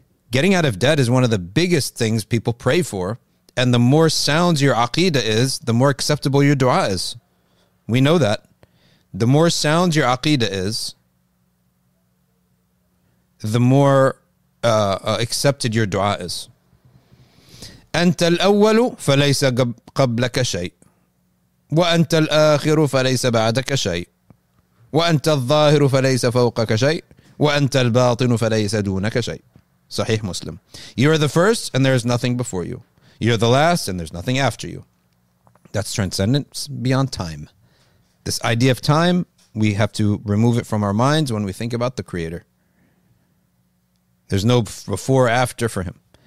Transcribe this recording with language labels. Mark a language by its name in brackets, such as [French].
[English] Getting out of debt is one of the biggest things people pray for. And the more sound your aqidah is, the more acceptable your dua is. We know that. The more sound your aqidah is, the more accepted your dua is. [Arabic] أنت الأول فليس قبلك شيء وأنت الآخر فليس بعدك شيء وأنت الظاهر فليس فوقك شيء وأنت الباطن فليس دونك شيء. صحيح مسلم. [English] You are the first and there is nothing before you. You're the last and there's nothing after you. That's transcendence beyond time. This idea of time, we have to remove it from our minds when we think about the Creator. There's no before or after for him.